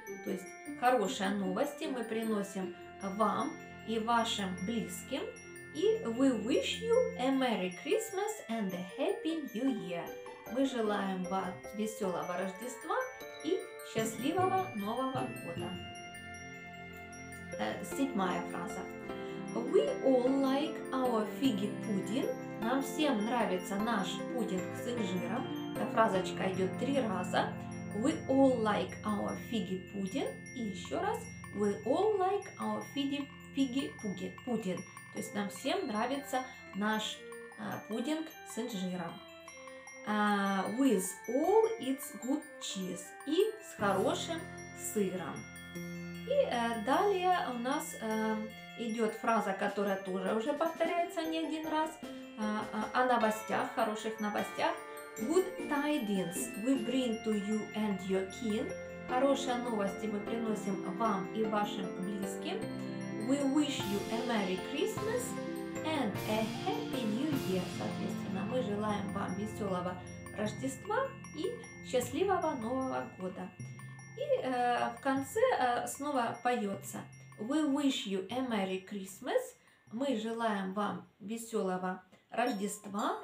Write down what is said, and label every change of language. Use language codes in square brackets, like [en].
[ru] То есть, хорошие новости мы приносим вам и вашим близким. [en] И we wish you a Merry Christmas and a Happy New Year. [ru] Мы желаем вам веселого Рождества и счастливого Нового года. 7-я фраза. [en] We all like our figgy pudding. [ru] Нам всем нравится наш пудинг с инжиром. Эта фразочка идет 3 раза. [en] We all like our figgy pudding. [ru] И еще раз. [en] We all like our figgy pudding. [ru] То есть нам всем нравится наш пудинг с инжиром. [en] With all its good cheese. [ru] И с хорошим сыром. И далее у нас идет фраза, которая тоже уже повторяется не один раз. О новостях, хороших новостях. [en] Good tidings we bring to you and your kin. [ru] Хорошие новости мы приносим вам и вашим близким. [en] We wish you a Merry Christmas and a Happy New Year. [ru] Соответственно, мы желаем вам веселого Рождества и счастливого Нового года. И в конце снова поется. [en] We wish you a Merry Christmas. [ru] Мы желаем вам веселого Рождества.